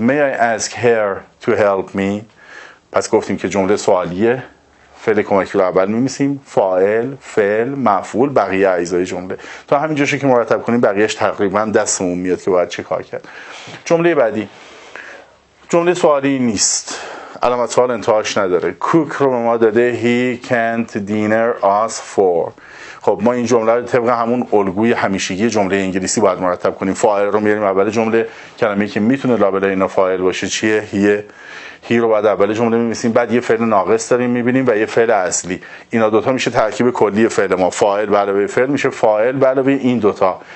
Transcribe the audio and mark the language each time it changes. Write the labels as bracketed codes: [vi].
[en] May I ask her to help me؟ [fa] پس گفتیم که جمله سوالیه، فعل کمکی رو اول می‌نویسیم، فاعل، فعل، مفعول، بقیه اجزای جمله. تا همین جاشو که مرتب کنیم بقیهش تقریبا دستمون میاد که باید چه کار کرد. جمله بعدی، جمله سوالی نیست، علامت سوال انتهاش نداره. Cook رو به ما داده [en] He can't dinner us for. [fa] خب ما این جمله رو طبق همون الگوی همیشگی جمله انگلیسی باید مرتب کنیم. فاعل رو میاریم اول جمله، کلمه‌ای که میتونه لابلای اینا فاعل باشه چیه؟ هیه. هی رو بعد اول جمله می‌بینیم، بعد یه فعل ناقص داریم می‌بینیم و یه فعل اصلی. اینا دوتا میشه ترکیب کلی فعل ما. فاعل علاوه فعل میشه فاعل علاوه این دوتا.